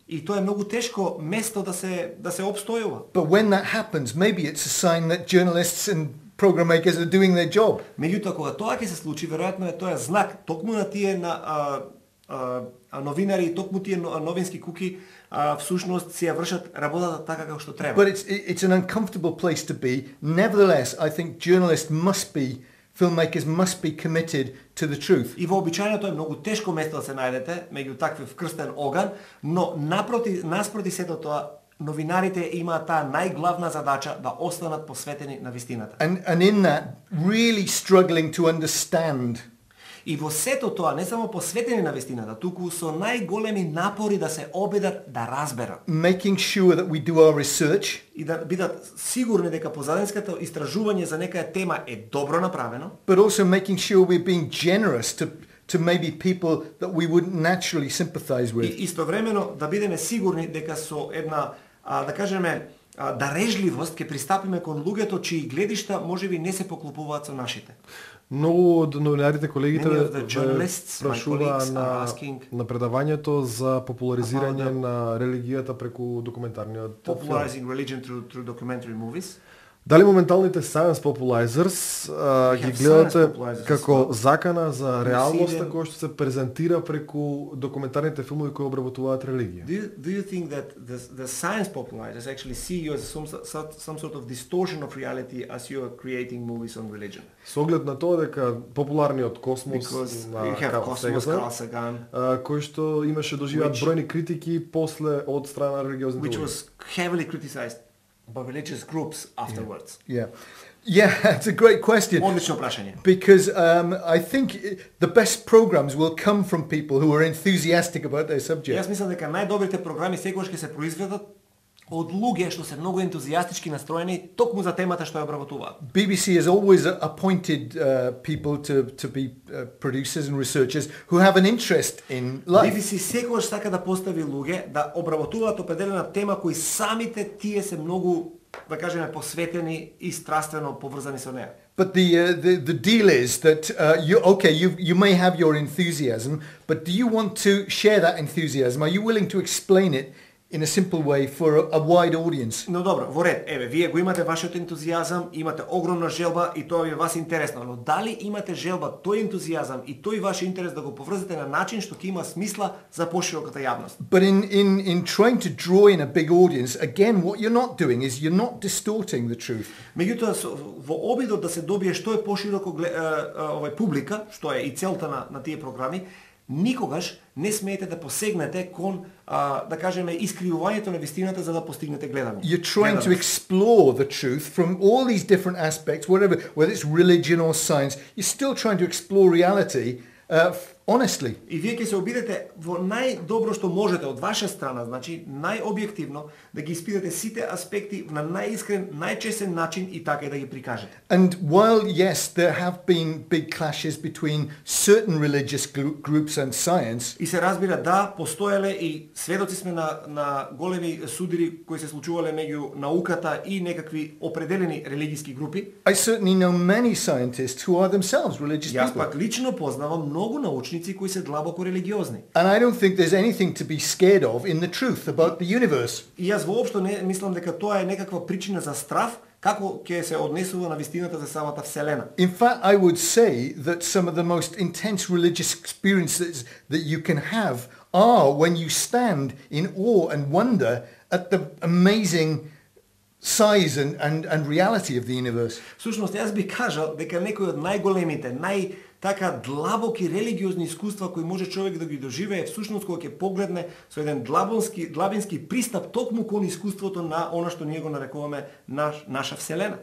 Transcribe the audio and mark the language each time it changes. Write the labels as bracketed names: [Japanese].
[Macedonian] И тоа е многу тешко место да се обстојува. [English] But when that happens, maybe it's a sign that journalists and program makers are doing their job. [Macedonian] Меѓутоа кога тоа ќе се случи, веројатно е тоа знак токму на тие на новинари и токму тие новински куки всушност си ја вршат работата така како што треба. [English] But it's an uncomfortable place to be. Nevertheless, I think journalists must be, filmmakers must be committed to the truth. [Macedonian] И во обичајното е многу тешко место да се најдете меѓу таквив крстен оган, но наспроти сето тоа, новинарите имаат таа најглавна задача да останат посветени на вистината. [English] And in that, really struggling to understand. [Macedonian] И во сето тоа, не само посветени на вистината, туку со најголеми напори да се обидат да разберат. [English] Making sure that we do our research. [Macedonian] И да бидат сигурни дека позадинското истражување за некоја тема е добро направено. [English] But also making sure we're being generous to maybe people that we wouldn't naturally sympathize with. [Macedonian] И истовремено да бидеме сигурни дека со една, да кажеме, дарежливост ќе пристапиме кон луѓето чии гледишта можеби не се поклопуваат со нашите. Многу од новинарите, колегите прашуваат на предавањето за популаризирање на религијата преку документарниот филм. [English] Popularizing religion through documentary movies. [Macedonian] Дали моменталните Science Popularizers ги гледате како закана за реалноста која што се презентира преку документарните филмови кои обработуваат религија? [English] Do you think that the Science Popularizers actually see you as some sort of distortion of reality as you are creating movies on religion? [Macedonian] Со оглед на тоа дека популарниот космос на Carl Sagan, кој што имаше доживеат бројни критики после од страна на религиозните [English] Which was heavily criticized. By religious groups afterwards. Yeah, it's a great question. Because I think the best programs will come from people who are enthusiastic about their subject. [Macedonian] Јас мислам дека најдобрите програми секогаш ќе се произведат од луѓе што се многу ентузијастички настроени токму за темата што ја обработуваат. [English] BBC has always appointed people to be producers and researchers who have an interest in life. [Macedonian] BBC секогаш сака да постави луѓе да обработуваат определена тема кои самите тие се многу, да кажеме, посветени и страствено поврзани со неа. [English] But the deal is that you may have your enthusiasm, but do you want to share that enthusiasm? Are you willing to explain it in a simple way for a wide audience? [Macedonian] Но добро, во ред, еве, вие го имате вашиот ентузијазам, имате огромна желба и тоа ви е вас интересно, но дали имате желба, тој ентузијазам и тој ваш интерес да го поврзете на начин што ќе има смисла за пошироката јавност? [English] But in trying to draw in a big audience, again, what you're not doing is you're not distorting the truth. [Macedonian] Меѓутоа, во обидот да се добие што е пошироко овој публика, што е и целта на тие програми, никогаш не смеете да посегнете кон, да кажеме, искривувањето на вистината за да постигнете гледање. [English] You're trying to explore the truth from all these different aspects, whatever, whether it's religion or science. You're still trying to explore reality honestly. [Macedonian] И вие ќе се обидете во најдобро што можете од ваша страна, значи најобјективно, да ги испитате сите аспекти на најискрен, најчесен начин и така и да ги прикажете. [English] And while yes, there have been big clashes between certain religious groups and science. [Macedonian] И се разбира, да, постоеле и сведоци сме на големи судири кои се случувале меѓу науката и некакви определени религиски групи. [English] I certainly know many scientists who are themselves religious people. [Macedonian] Јас пак лично познавам многу научни кои се длабоко религиозни. [English] And I don't think there's anything to be scared of in the truth about the universe. [Macedonian] И јас воопшто не мислам дека тоа е некаква причина за страв како ќе се однесува на вистината за самата вселена. [English] In fact, I would say that some of the most intense religious experiences that you can have are when you stand in awe and wonder at the amazing size and reality of the universe. [Macedonian] Всушност, јас би кажал дека некои од најголемите, така длабоки религиозни искуства кои може човек да ги доживее всушност кога ќе погледне со еден длабински пристап токму кон искуството на она што ние го нарекуваме наша вселена.